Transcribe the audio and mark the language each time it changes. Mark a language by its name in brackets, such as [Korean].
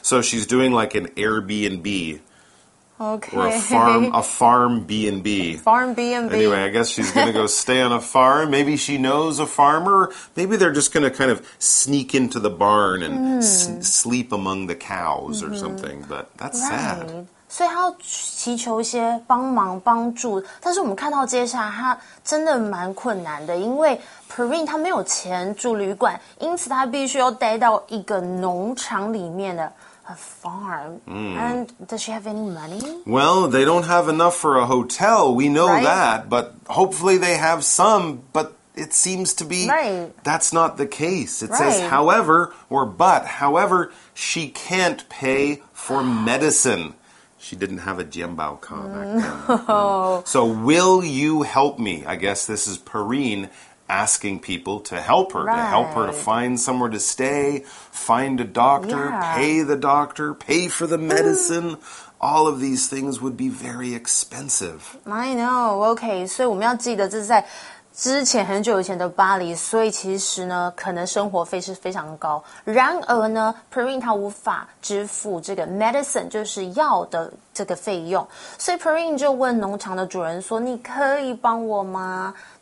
[English] So she's doing like an Airbnb. Okay. Or a farm B&B. Farm B&B. Anyway, I guess she's going to go stay on a farm. Maybe she knows a farmer. Maybe they're just going to kind of sneak into the barn and sleep among the cows or something. But that's sad. [Chinese] 所以他要祈求一些帮忙帮助。但是我们看到接下来他真的蛮困难的因为Perrine 他没有钱住旅馆因此他必须要待到一个农场里面的 [English] a farm. And does she have any money? Well, they don't have enough for a hotel, we know that, but hopefully they have some, but it seems to be that's not the case. It says, however, she can't pay for medicine. She didn't have a jianbao ka back then. So will you help me? I guess this is Perrine. Asking people to help her, to help her to find somewhere to stay, find a doctor, pay the doctor, pay for the medicine. All of these things would be very expensive. I know, okay. [Chinese] 所以我们要记得这是在之前很久以前的巴黎，所以其实呢，可能生活费是非常高。然而呢 ，Perrine 他无法支付这个 medicine 就是药的这个费用，所以 Perrine 就问农场的主人说：“你可以帮我吗？”